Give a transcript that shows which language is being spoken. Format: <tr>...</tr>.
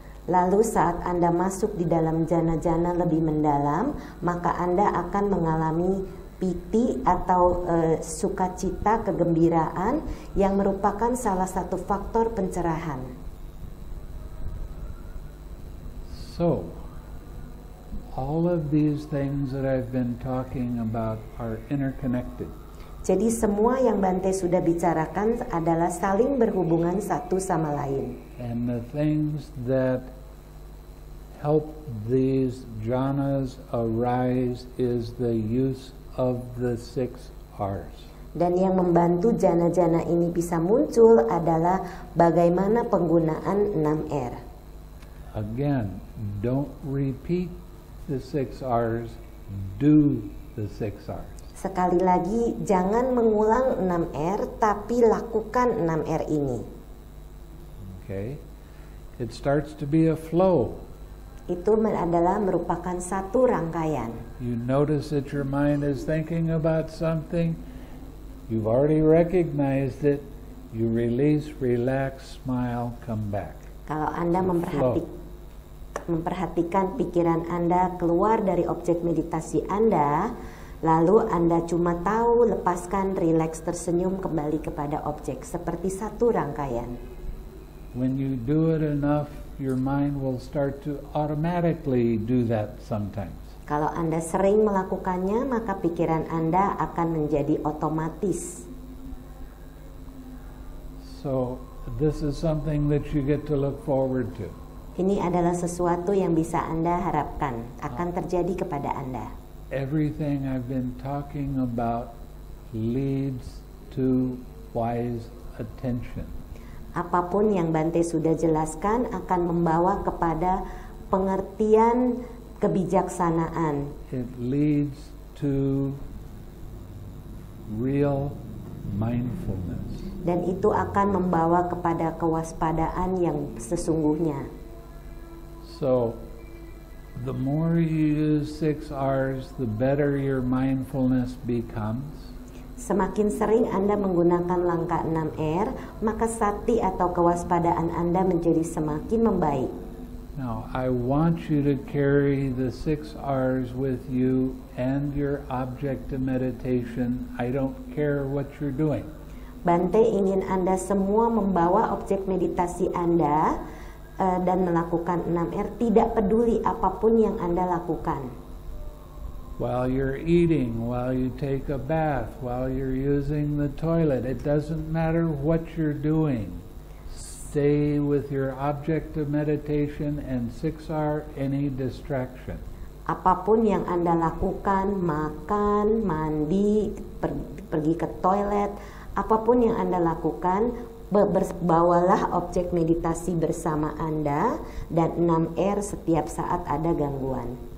<id>Lalu saat Anda masuk di dalam jhana-jhana lebih mendalam, maka Anda akan mengalami piti atau sukacita, kegembiraan yang merupakan salah satu faktor pencerahan.</id> <en>So, all of these things that I've been talking about are interconnected.</en> <id>Jadi semua yang Bante sudah bicarakan adalah saling berhubungan satu sama lain.</id> <en>And the things that help these jhanas arise is the use of the six R's.</en> <id>Dan yang membantu jhana-jhana ini bisa muncul adalah bagaimana penggunaan 6 R.</id> <en>Again, don't repeat the six R's, do the six R's.</en> <id>Sekali lagi, jangan mengulang 6 R, tapi lakukan 6 R ini.</id> <en>Okay. It starts to be a flow.</en> <id>Itu adalah merupakan satu rangkaian.</id> <en>You notice that your mind is thinking about something. You've already recognized it. You release, relax, smile, come back.</en> <id>Kalau Anda memperhatikan pikiran Anda keluar dari objek meditasi Anda, lalu Anda cuma tahu, lepaskan, relax, tersenyum kembali kepada objek seperti satu rangkaian.</id> <en>When you do it enough, your mind will start to automatically do that sometimes.</en> <id>Kalau Anda sering melakukannya, maka pikiran Anda akan menjadi otomatis.</id> <en>So, this is something that you get to look forward to.</en> <id>Ini adalah sesuatu yang bisa Anda harapkan akan terjadi kepada Anda.</id> <en>Everything I've been talking about leads to wise attention.</en> <id>Apapun yang Bante sudah jelaskan akan membawa kepada pengertian kebijaksanaan.</id> <en>It leads to real mindfulness.</en> <id>Dan itu akan membawa kepada kewaspadaan yang sesungguhnya.</id> <en>So, the more you use six R's, the better your mindfulness becomes.</en> <id>Semakin sering Anda menggunakan langkah 6 R, maka sati atau kewaspadaan Anda menjadi semakin membaik.</id> <en>Now, I want you to carry the six R's with you and your object of meditation. I don't care what you're doing.</en> <id>Bante ingin Anda semua membawa objek meditasi Anda dan melakukan 6 R, tidak peduli apapun yang Anda lakukan.</id> <en>While you're eating, while you take a bath, while you're using the toilet, it doesn't matter what you're doing. Stay with your object of meditation and 6R, any distraction.</en> <id>Apapun yang Anda lakukan, makan, mandi, pergi ke toilet, apapun yang Anda lakukan, bawalah objek meditasi bersama Anda, dan 6R, setiap saat ada gangguan.</id>